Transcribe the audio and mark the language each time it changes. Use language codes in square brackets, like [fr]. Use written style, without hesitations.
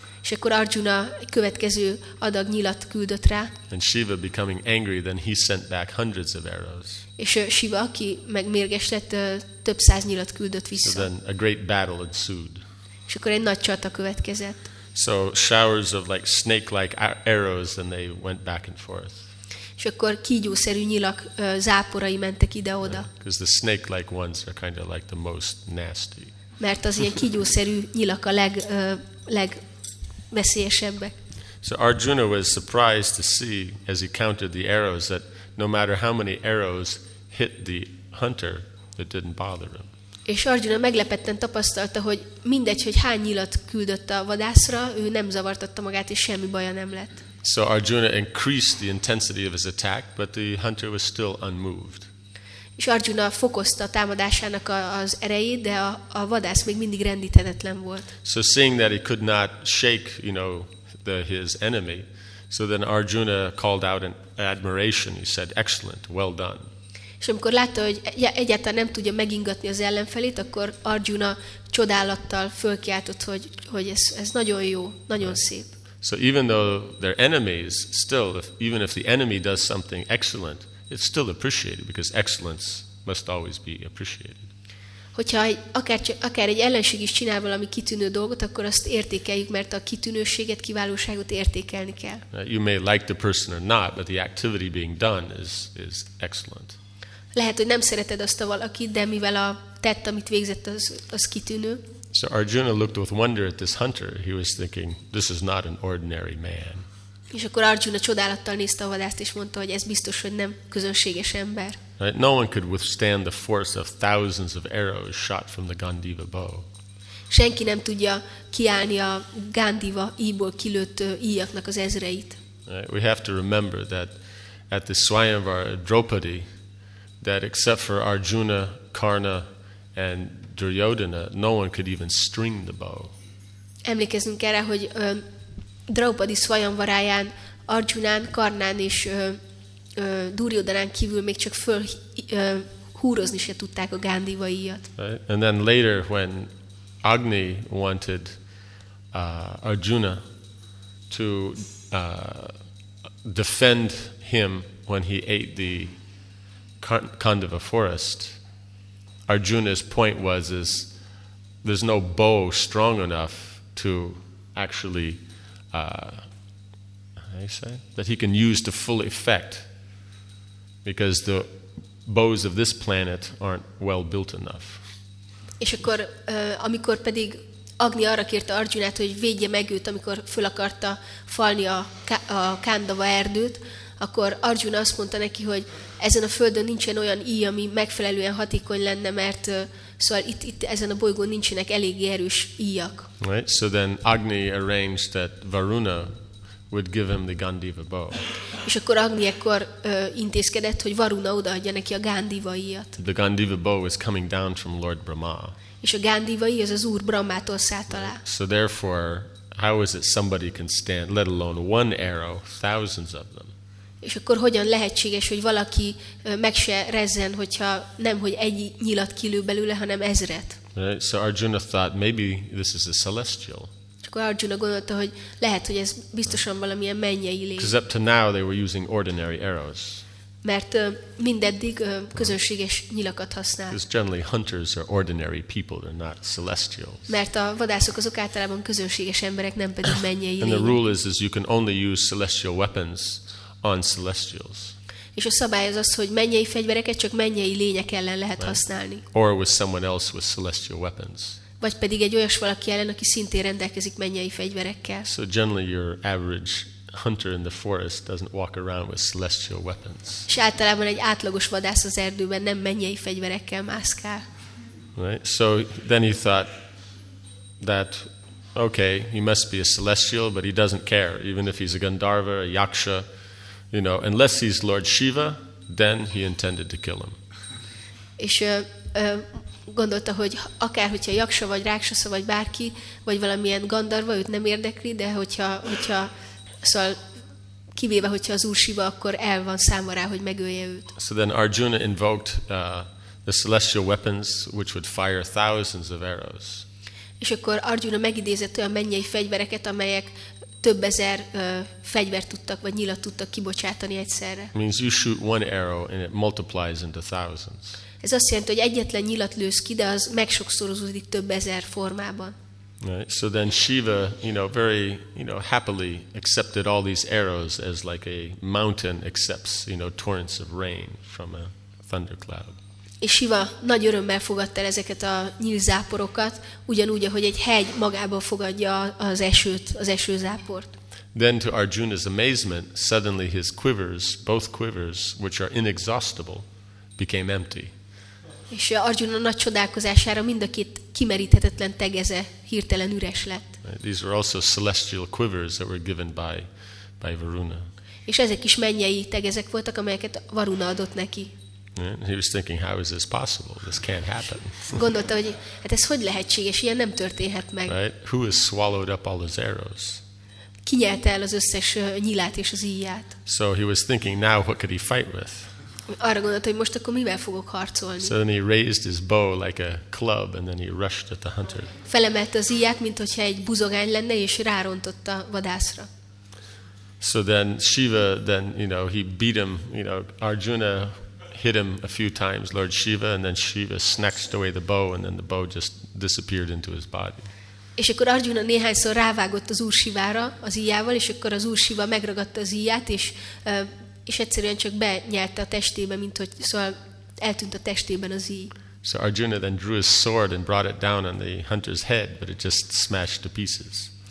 [hu] És akkor Arjuna egy következő adag nyilat küldött rá. [en] And Shiva becoming angry, then he sent back hundreds of arrows. [hu] És Shiva, aki megmérges lett, több száz nyilat küldött vissza. [en] So then a great battle ensued. [hu] És akkor egy nagy csata következett. [en] So showers of like snake-like arrows, and they went back and forth. [hu] És akkor kígyószerű nyilak záporai mentek ide-oda. [en] Because the snake-like ones are kind of like the most nasty. [hu] Mert az ilyen kígyószerű nyilak a leg veszélyesebbek. [en] So Arjuna was surprised to see, as he counted the arrows, that no matter how many arrows hit the hunter, it didn't bother him. [hu] És Arjuna meglepetten tapasztalta, hogy mindegy, hogy hány nyilat küldött a vadászra, ő nem zavartatta magát, és semmi baja nem lett. [en] So Arjuna increased the intensity of his attack, but the hunter was still unmoved. [hu] És Arjuna fokozta támadásának az erejét, de a vadász még mindig rendíthetetlen volt. [en] So seeing that he could not shake, you know, his enemy, so then Arjuna called out in admiration. He said, "Excellent, well done." [hu] És amikor látta, hogy egyáltalán nem tudja megingatni az ellenfelét, akkor Arjuna csodálattal fölkiáltott, hogy ez nagyon jó, nagyon szép. [en] So even though they're enemies, still, even if the enemy does something excellent, it's still appreciated because excellence must always be appreciated. [hu] Hogyha akár egy ellenség is csinál valami kitűnő dolgot, akkor azt értékeljük, mert a kitűnőséget, kiválóságot értékelni kell. [en] You may like the person or not, but the activity being done is excellent. [hu] Lehet, hogy nem szereted azt a valakit, de mivel a tett, amit végzett, az kitűnő. [en] So Arjuna looked with wonder at this hunter. He was thinking, this is not an ordinary man. [hu] És akkor Arjuna csodálattal nézte a vadászt, és mondta, hogy ez biztos, hogy nem közönséges ember. [en] Right? No one could withstand the force of thousands of arrows shot from the Gandiva bow. [hu] Senki nem tudja kiállni a Gandiva íjból kilőtt íjaknak az ezreit. [en] Right? We have to remember that at the Swayamvara Draupadi, that except for Arjuna, Karna, and Duryodhana, no one could even string the bow. [hu] Emlékezzünk erre, hogy Draupadi Svajanvaráján Arjunán, Karnán és Duryodhanán kívül még csak föl húrozni se tudták a Gandiva íjat. [en] Right? And then later when Agni wanted Arjuna to defend him when he ate the Kandava forest, Arjuna's point was is there's no bow strong enough to actually that he can use to full effect because the bows of this planet aren't well built enough. [hu] És akkor amikor pedig Agni arra kérte Arjunát, hogy védje meg őt, amikor föl akarta falni a Kandava erdőt, akkor Arjuna azt mondta neki, hogy ezen a földön nincsen olyan íj, ami megfelelően hatékony lenne, mert szóval itt ezen a bolygón nincsenek eléggé erős íjak. [en] Right, so then Agni arranged that Varuna would give him the Gandiva bow. [hu] És akkor Agni ekkor intézkedett, hogy Varuna odaadja neki a Gandiva íjat. [en] The Gandiva bow is coming down from Lord Brahma. [hu] És a Gandiva íj az Úr Brahmától szállt alá. [en] Right. So therefore, how is it somebody can stand, let alone one arrow, thousands of them? [hu] És akkor hogyan lehetséges, hogy valaki meg se rezzen, hogyha nem, hogy egy nyilat kilő belőle, hanem ezret. [en] Right. So Arjuna thought, maybe this is a celestial. [hu] És akkor Arjuna gondolta, hogy lehet, hogy ez biztosan valamilyen mennyei lény. [en] Because up to now they were using ordinary arrows. [hu] Mert mindeddig közönséges nyilakat használ. [en] Because generally hunters are ordinary people, they're not celestials. [hu] Mert a vadászok azok általában közönséges emberek, nem pedig mennyei lények. [en] And the rule is you can only use celestial weapons on celestials. [hu] És a szabály az, hogy mennyei fegyvereket csak mennyei lények ellen lehet [en] right. [hu] használni. [en] Or with someone else with celestial weapons. [hu] Vagy pedig egy olyas valaki ellen, aki szintén rendelkezik mennyei fegyverekkel. [en] So generally your average hunter in the forest doesn't walk around with celestial weapons. [hu] És általában egy átlagos vadász az erdőben nem mennyei fegyverekkel mászkál. [en] Right. So then he thought that okay, he must be a celestial, but he doesn't care even if he's a Gandharva, a Yaksha. You know, unless he's Lord Shiva, then he intended to kill him. [hu] És gondolta, hogy akár hogyha Yaksa vagy Rákshasa vagy bárki, vagy valamilyen Gandharva, őt nem érdekli, de hogyha szóval kivéve, hogyha az Úr Shiva, akkor el van számva rá, hogy megölje őt. [en] So then Arjuna invoked the celestial weapons, which would fire thousands of arrows. [hu] És akkor Arjuna megidézett olyan mennyei fegyvereket, amelyek több ezer fegyvert tudtak vagy nyilat tudtak kibocsátani egyszerre. [en] Means you shoot one arrow and it multiplies into thousands. [hu] Ez azt jelenti, hogy egyetlen nyilat lősz ki, de az megsokszorozódik több ezer formában. [en] Right. So then Shiva, you know, very, you know, happily accepted all these arrows as like a mountain accepts, you know, torrents of rain from a thundercloud. [hu] És Shiva nagy örömmel fogadta el ezeket a nyílzáporokat, ugyanúgy, ahogy egy hegy magában fogadja az esőt, az esőzáport. [en] Then to Arjuna's amazement, suddenly his quivers, both quivers, which are inexhaustible, became empty. [hu] És Arjuna nagy csodálkozására mind a két kimeríthetetlen tegeze hirtelen üres lett. [en] These were also celestial quivers that were given by Varuna. [hu] És ezek is mennyei tegezek voltak, amelyeket Varuna adott neki. [en] He was thinking, how is this possible? This can't happen. [hu] Gondolta, hogy hát ez hogy lehetséges? Ilyen nem történhet meg. [en] Right? Who has swallowed up all his arrows? [hu] Ki nyelte el az összes nyilát és az íját? [en] So he was thinking, now what could he fight with? [hu] Arra gondolta, hogy most akkor mivel fogok harcolni? [en] So then he raised his bow like a club, and then he rushed at the hunter. [hu] Felemelte az íját, mint hogyha egy buzogány lenne, és rárontott a vadászra. [en] So then Shiva, then you know, he beat him. You know, Arjuna hit him a few times, Lord Shiva, and then Shiva snatched away the bow, and then the bow just disappeared into his body. [hu] És akkor Arjuna néhányszor rávágott az Úr Sivára az íjával, és akkor az Úr Shiva megragadta az íját, és egyszerűen csak benyelte a testébe, mint hogy szóval eltűnt a testében az íj. [en] So Arjuna then drew his sword and brought it down on the hunter's head, but it just smashed to pieces.